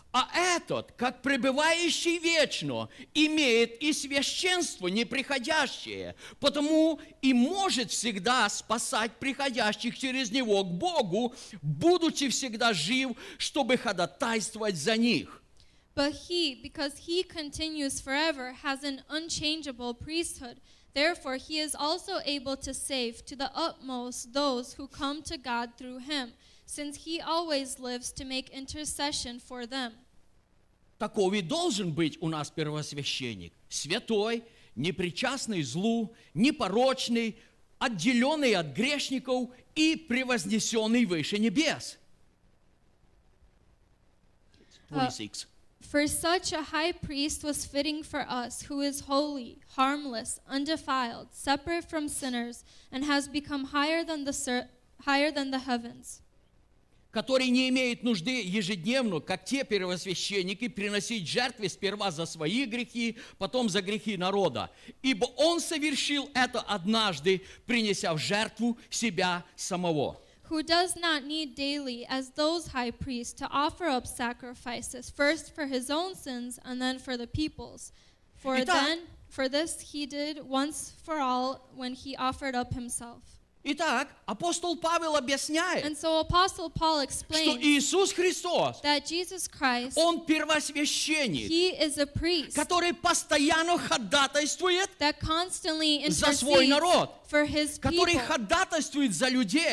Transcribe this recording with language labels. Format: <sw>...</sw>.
<ru>А этот, как пребывающий вечно, имеет и священство неприходящее, потому и может всегда спасать приходящих через него к Богу, будучи всегда жив, чтобы ходатайствовать за них.</ru> <en>But he, because he continues forever, has an unchangeable priesthood. Therefore, he is also able to save to the utmost those who come to God through him, since he always lives to make intercession for them.</en> <ru>Таков и должен быть у нас первосвященник, святой, непричастный злу, непорочный, отделенный от грешников и превознесенный выше небес. 26.</ru> <en>For such a high priest was fitting for us, who is holy, harmless, undefiled, separate from sinners, and has become higher than the heavens.</en> <ru>Который не имеет нужды ежедневно, как те первосвященники, приносить жертвы сперва за свои грехи, потом за грехи народа. Ибо он совершил это однажды, принеся в жертву себя самого.</ru> <en>Who does not need daily, as those high priests, to offer up sacrifices, first for his own sins and then for the people's. For</en> <ru>Итак,</ru> <en>then, for this he did once for all when he offered up himself.</en> <ru>Итак, апостол Павел объясняет,</ru> <en>and so Apostle Paul explains</en> <ru>что Иисус Христос,</ru> <en>that Jesus Christ,</en> <ru>он первосвященник,</ru> <en>he is a priest,</en> <ru>который постоянно ходатайствует</ru> <en>that constantly intercedes</en> <ru>за свой народ,</ru> <en>for his people,</en> <ru>который ходатайствует за людей</ru>